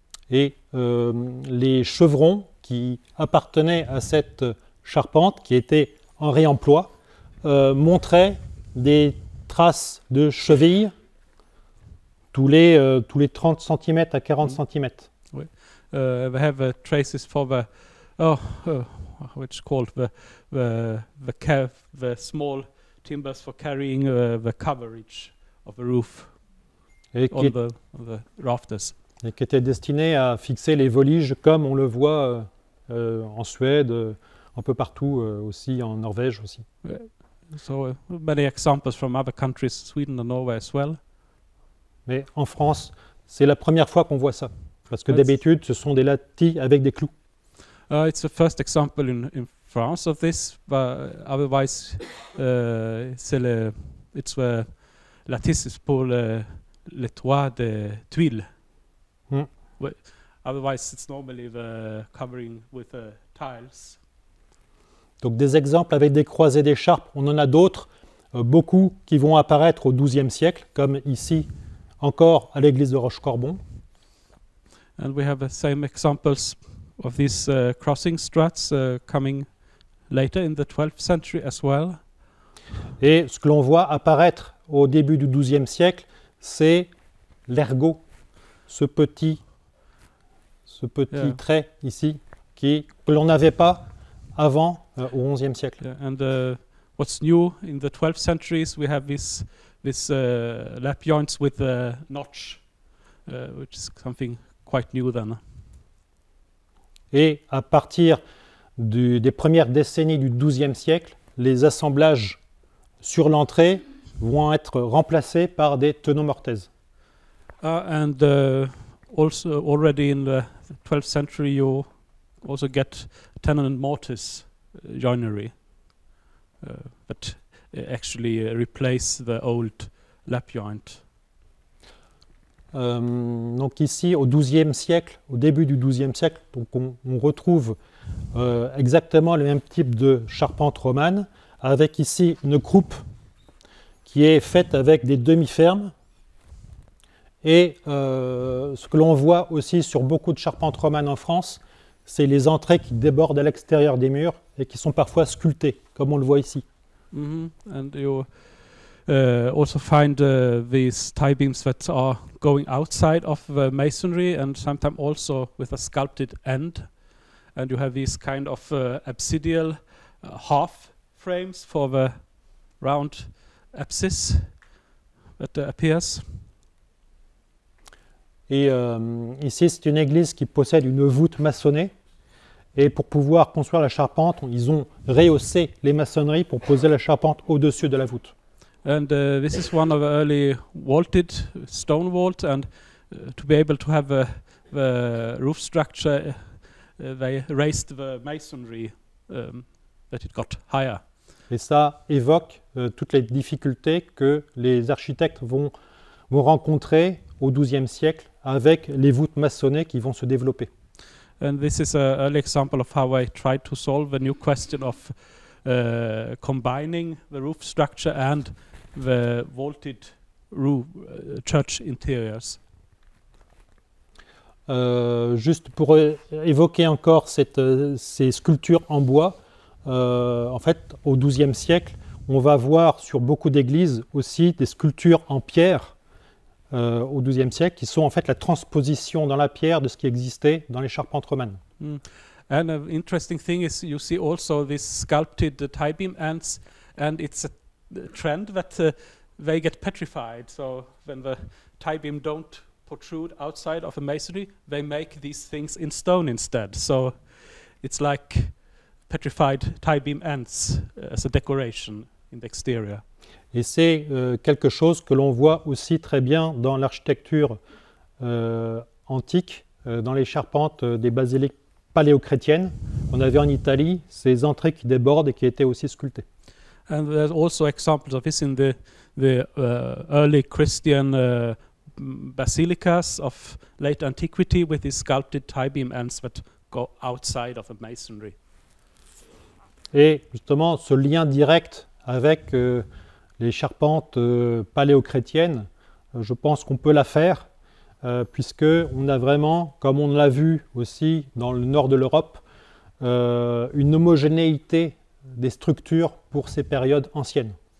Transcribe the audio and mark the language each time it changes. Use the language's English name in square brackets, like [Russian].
[French] Et les chevrons qui appartenaient à cette charpente, qui était en réemploi, montraient des traces de chevilles tous les 30 cm à 40 cm. Oui. [English] They have traces for the which called the small timbers for carrying the coverage of the roof on the rafters. [French] Et qui était destiné à fixer les voliges comme on le voit en Suède, un peu partout aussi, en Norvège aussi. [English] So many examples from other countries, Sweden and Norway as well. [French] Mais en France, c'est la première fois qu'on voit ça. Parce que d'habitude, ce sont des lattis avec des clous. [English] It's the first example in France of this, but otherwise it's where lattice is called [French] le toit de tuiles. [English] Mm. Otherwise, it's normally the covering with tiles. [French] Donc des exemples avec des croisées d'écharpes, on en a d'autres, beaucoup qui vont apparaître au XIIe siècle, comme ici, encore à l'église de Rochecorbon. [English] And we have the same examples of these crossing struts coming later in the 12th century as well. [French] Et ce que l'on voit apparaître au début du 12e siècle, c'est l'ergot, ce petit yeah. trait ici que l'on n'avait pas avant au 11e siècle. [English] Yeah. And what's new in the 12th century is we have this lap joints with a notch, which is something quite new then. [French] Et à partir des premières décennies du XIIe siècle, les assemblages sur l'entrée vont être remplacés par des tenons-mortaises. [English] And also already in the 12th century, you also get tenon-mortise joinery that actually replace the old lap joint. [French] Donc ici, au début du XIIe siècle, donc on retrouve exactement le même type de charpente romane, avec ici une croupe qui est faite avec des demi-fermes. Et ce que l'on voit aussi sur beaucoup de charpentes romanes en France, c'est les entrées qui débordent à l'extérieur des murs et qui sont parfois sculptées, comme on le voit ici. Mm-hmm. [English] And you also find these tie beams that are going outside of the masonry and sometimes also with a sculpted end. And you have these kind of absidial half frames for the round apsis that appears. [French] Et ici, c'est une église qui possède une voûte maçonnée. Et pour pouvoir construire la charpente, ils ont rehaussé les maçonneries pour poser la charpente au-dessus de la voûte. [English] And this is one of the early vaulted stone vault, and to be able to have the roof structure, they raised the masonry that it got higher. [French] Et ça évoque toutes les difficultés que les architectes vont rencontrer au XIIe siècle avec les voûtes maçonnées qui vont se développer. [English] And this is an example of how I tried to solve the new question of combining the roof structure and the vaulted roof, church interiors. [French] Juste pour évoquer encore ces sculptures en bois, en fait, au XIIe siècle, on va voir sur beaucoup d'églises aussi des sculptures en pierre au XIIe siècle, qui sont en fait la transposition dans la pierre de ce qui existait dans les charpentes romanes. Mm. [English] And an interesting thing is you see also this sculpted tie beam ends, and it's a trend that they get petrified. So when the tie beam don't protrude outside of a masonry, they make these things in stone instead. So it's like petrified tie beam ends as a decoration in the exterior. [French] Et c'est quelque chose que l'on voit aussi très bien dans l'architecture antique, dans les charpentes des basiliques paléochrétiennes. On avait en Italie ces entrées qui débordent et qui étaient aussi sculptées. [English] And there's also examples of this in the early Christian basilicas of late antiquity with these sculpted tie beam ends that go outside of a masonry. [French] Et justement, ce lien direct avec les charpentes paléochrétiennes, je pense qu'on peut la faire, puisque on a vraiment, comme on l'a vu aussi dans le nord de l'Europe, une homogénéité des structures pour ces périodes anciennes.